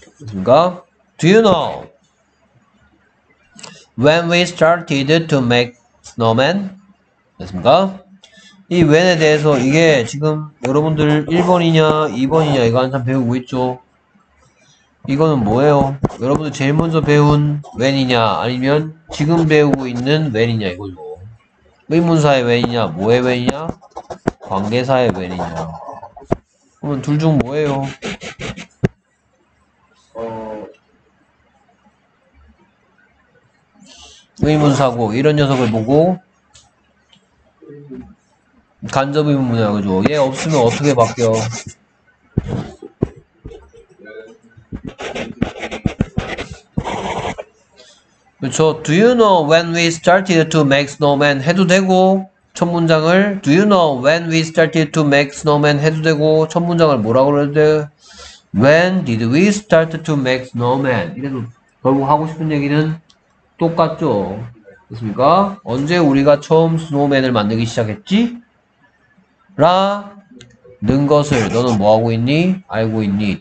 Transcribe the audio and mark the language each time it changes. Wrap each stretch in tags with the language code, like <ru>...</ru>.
<ko>그니까</ko> <en>do you know when we started to make snowmen?</en> <ko>됐습니까? 이 when에 대해서 이게 지금 여러분들 1번이냐 2번이냐 이거 한참 배우고 있죠. 이거는 뭐예요? 여러분들 제일 먼저 배운 when이냐 아니면 지금 배우고 있는 when이냐 이거죠. 의문사의 when이냐 뭐의 when이냐 관계사의 when이냐. 그러면 둘중 뭐예요? 의문사고 이런 녀석을 보고 간접 의문문이야, 그죠? 얘 없으면 어떻게 바뀌어? 그렇죠.</ko> <en>Do you know when we started to make snowman?</en> <ko>해도 되고 첫 문장을</ko> <en>Do you know when we started to make snowman?</en> <ko>해도 되고 첫 문장을 뭐라고 그래야 돼?</ko> <en>When did we start to make snowman?</en> <ko>이래도 결국 하고 싶은 얘기는 똑같죠. 그렇습니까? 언제 우리가 처음 스노우맨을 만들기 시작했지? 라는 것을 너는 뭐하고 있니? 알고 있니?</ko>